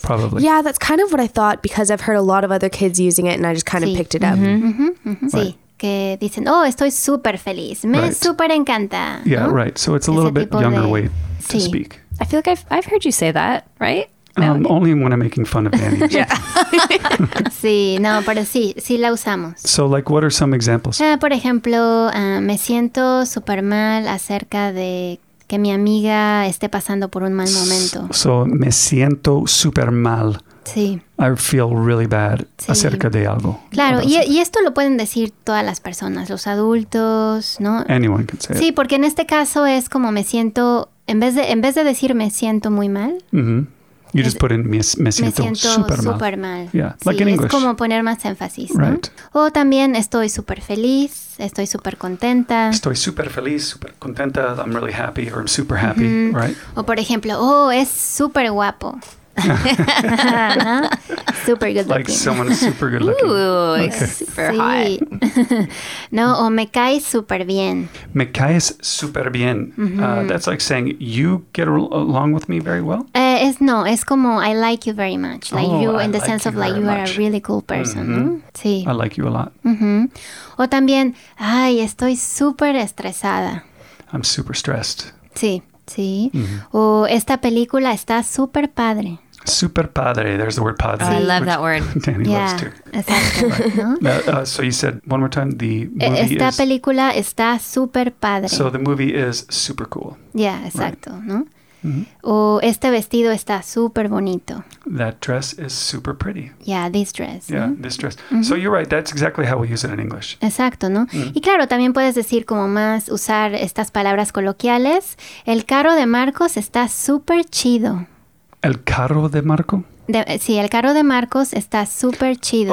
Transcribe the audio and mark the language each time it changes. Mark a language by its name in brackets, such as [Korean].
[English] Probably. Yeah, that's kind of what I thought because I've heard a lot of other kids using it and I just kind of picked it up. [Spanish] Sí, que dicen, oh, estoy súper feliz, me súper encanta. [English] Yeah, ¿no? So it's a little bit younger way to speak. I feel like I've heard you say that, right? Only when I'm making fun of Danny. Yeah. [Spanish] Sí, no, pero sí, sí la usamos. [English] So, like, what are some examples? [Spanish] Por ejemplo, me siento súper mal acerca de que mi amiga esté pasando por un mal momento. So, me siento súper mal. Sí. [English] I feel really bad [Spanish] acerca de algo. Claro, y esto lo pueden decir todas las personas, los adultos, ¿no? [English] Anyone can say it. [Spanish] Sí, porque en este caso es como me siento, en vez de decir me siento muy mal. [English] You just put in [Spanish] me siento super mal. Super mal. [English] Yeah, like in English. [Spanish] Es como poner más énfasis, [English] right. [Spanish] ¿no? O también estoy super feliz, estoy super contenta. Estoy super feliz, super contenta, [English] I'm really happy or I'm super happy, right? [Spanish] O por ejemplo, oh, es super guapo. [English] Super good looking. Like someone super good looking. Ooh, okay. Super hot. [Spanish] No, o me caes super bien. Me caes super bien. [English] That's like saying you get along with me very well? [Spanish] Es como [English] I like you very much. Like you in the sense of like you are a really cool person. I like you a lot. O también, ay, estoy super estresada. I'm super stressed. [Spanish] Sí. O esta película está super padre. Super padre. [English] There's the word padre. Oh, I love that word. Danny loves too. Exactly. Right. [Spanish] No? [English] So you said one more time, the movie [Spanish] esta película está super padre. [English] So the movie is super cool. [Spanish] Yeah, exacto. Right. ¿No? O este vestido está super bonito. [English] That dress is super pretty. Yeah, this dress. Yeah, this dress. So you're right. That's exactly how we use it in English. [Spanish] Exacto, ¿no? Y claro, también puedes decir como más usar estas palabras coloquiales. El carro de Marcos está super chido. ¿El carro de Marco? Sí, el carro de Marcos está súper chido.